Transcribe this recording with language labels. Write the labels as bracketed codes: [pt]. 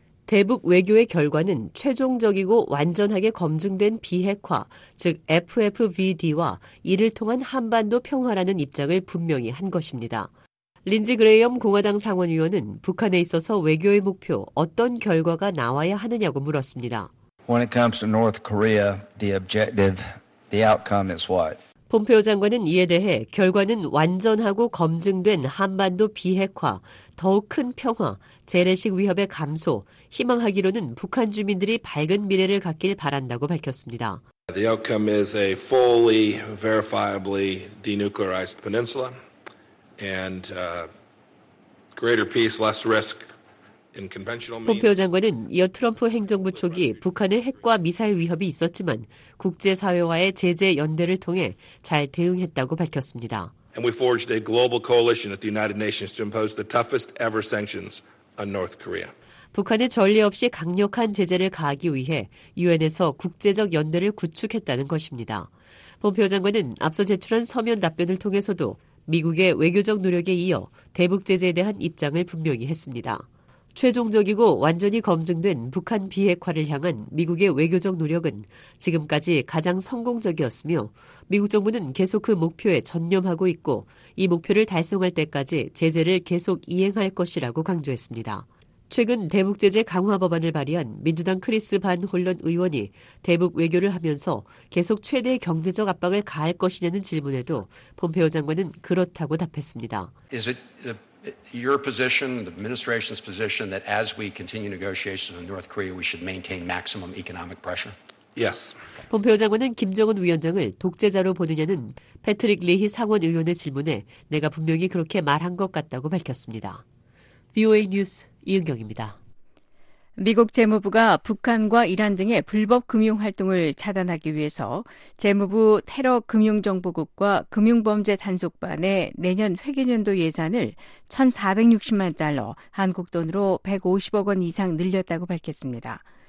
[ko] 대북 외교의 결과는 최종적이고 완전하게 검증된 비핵화, 즉 FFVD와 이를 통한 한반도 평화라는 입장을 분명히 한 것입니다. 린지 그레이엄 공화당 상원의원은 북한에 있어서 외교의 목표, 어떤 결과가 나와야 하느냐고 물었습니다. [en] When it comes to North Korea, the objective, the outcome is what? [ko] 폼페오 장관은 이에 대해 결과는 완전하고 검증된 한반도 비핵화, 더욱 큰 평화, 재래식 위협의 감소, 희망하기로는 북한 주민들이 밝은 미래를 갖길 바란다고 밝혔습니다. [en] The outcome is a fully verifiably denuclearized peninsula and greater peace, less risk. [ko] 폼페오 장관은 이어 트럼프 행정부 초기 북한의 핵과 미사일 위협이 있었지만 국제사회와의 제재 연대를 통해 잘 대응했다고 밝혔습니다. [en] And we forged a global coalition at the United Nations to impose the toughest ever sanctions on North Korea. [ko] 북한의 전례 없이 강력한 제재를 가하기 위해 유엔에서 국제적 연대를 구축했다는 것입니다. 폼페오 장관은 앞서 제출한 서면 답변을 통해서도 미국의 외교적 노력에 이어 대북 제재에 대한 입장을 분명히 했습니다. 최종적이고 완전히 검증된 북한 비핵화를 향한 미국의 외교적 노력은 지금까지 가장 성공적이었으며 미국 정부는 계속 그 목표에 전념하고 있고 이 목표를 달성할 때까지 제재를 계속 이행할 것이라고 강조했습니다. 최근 대북 제재 강화 법안을 발의한 민주당 크리스 반 홀런 의원이 대북 외교를 하면서 계속 최대의 경제적 압박을 가할 것이냐는 질문에도 폼페오 장관은 그렇다고 답했습니다. [en] Is it the... Your position, the administration's position, that as we continue negotiations with North Korea, we should maintain maximum economic pressure? Yes. [ko] 폼페오 장관은 김정은 위원장을 독재자로 보느냐는 패트릭 리히 상원 의원의 질문에 내가 분명히 그렇게 말한 것 같다고 밝혔습니다. VOA 뉴스 이은경입니다. 미국 재무부가 북한과 이란 등의 불법 금융활동을 차단하기 위해서 재무부 테러금융정보국과 금융범죄단속반의 내년 회계연도 예산을 1,460만 달러, 한국 돈으로 150억 원 이상 늘렸다고 밝혔습니다.